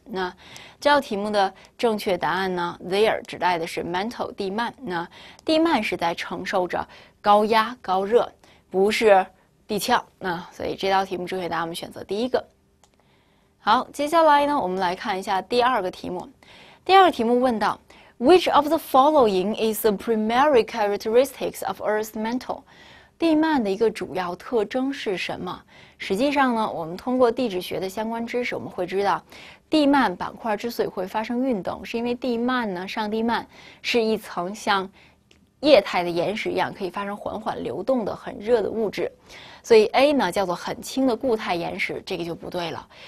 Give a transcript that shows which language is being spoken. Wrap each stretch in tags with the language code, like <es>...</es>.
<zh>那这道题目的正确答案呢？There 指代的是 mantle 地幔。那地幔是在承受着高压高热，不是地壳，所以这道题目正确答案我们选择第一个。好，接下来呢，我们来看一下第二个题目。第二个题目问到：</zh> <en>Which of the following is the primary characteristics of Earth's mantle？</en> <zh>地幔的一个主要特征是什么？实际上呢，我们通过地质学的相关知识，我们会知道，地幔板块之所以会发生运动，是因为地幔呢，上地幔是一层像液态的岩石一样可以发生缓缓流动的很热的物质，所以 A 呢叫做很轻的固态岩石，这个就不对了。</zh>